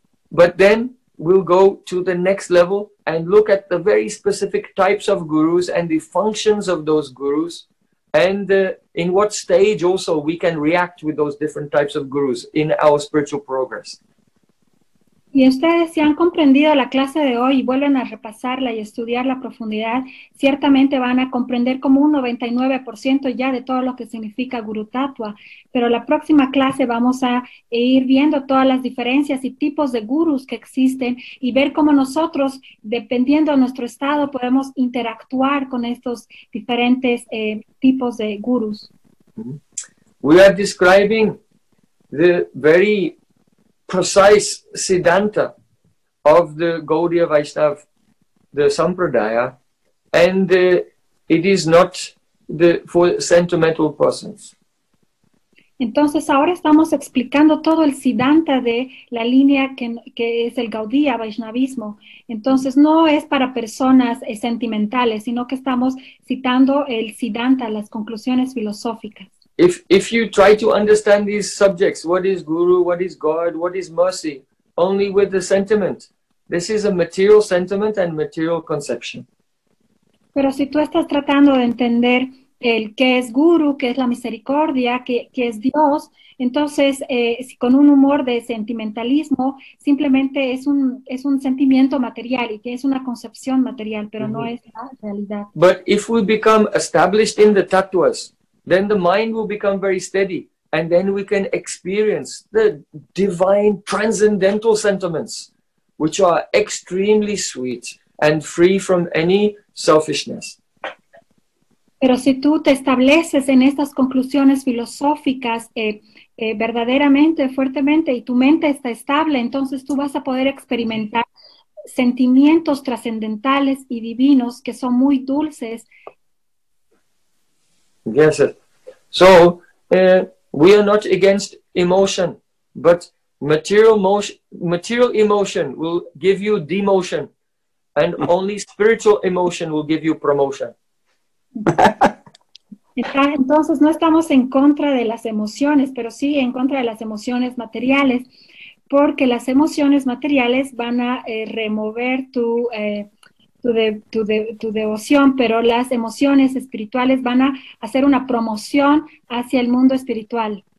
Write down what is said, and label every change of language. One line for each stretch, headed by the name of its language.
English: But then we'll go to the next level and look at the very specific types of gurus and the functions of those gurus and in what stage also we can react with those different types of gurus in our spiritual progress.
Spanish: Y ustedes si han comprendido la clase de hoy y vuelven a repasarla y estudiar la profundidad, ciertamente van a comprender como un 99% ya de todo lo que significa Guru Tattva. Pero la próxima clase vamos a ir viendo todas las diferencias y tipos de gurús que existen y ver cómo nosotros, dependiendo de nuestro estado, podemos interactuar con estos diferentes tipos de gurús.
English: We are describing the very precise Siddhanta of the Gaudiya Vaishnava, the Sampradaya, and it is not the for sentimental persons.
Spanish: Entonces ahora estamos explicando todo el Siddhanta de la línea que es el Gaudiya Vaishnavismo. Entonces no es para personas sentimentales, sino que estamos citando el Siddhanta, las conclusiones filosóficas.
English: If you try to understand these subjects, what is guru, what is God, what is mercy, only with the sentiment, this is a material sentiment and material conception.
Spanish: Pero si tú estás tratando de entender el qué es guru, qué es la misericordia, qué es Dios, entonces si con un humor de sentimentalismo, simplemente es un sentimiento material y que es una concepción material, pero no es la realidad.
English: But if we become established in the tattvas, then the mind will become very steady, and then we can experience the divine transcendental sentiments, which are extremely sweet and free from any selfishness.
Spanish: Pero si tú te estableces en estas conclusiones filosóficas verdaderamente, fuertemente, y tu mente está estable, entonces tú vas a poder experimentar sentimientos trascendentales y divinos que son muy dulces.
English: Yes. So, we are not against emotion, but material emotion will give you demotion, and only spiritual emotion will give you promotion.
Spanish: Entonces, no estamos en contra de las emociones, pero sí en contra de las emociones materiales, porque las emociones materiales van a remover tu devoción, pero las emociones espirituales van a hacer una promoción hacia el mundo espiritual.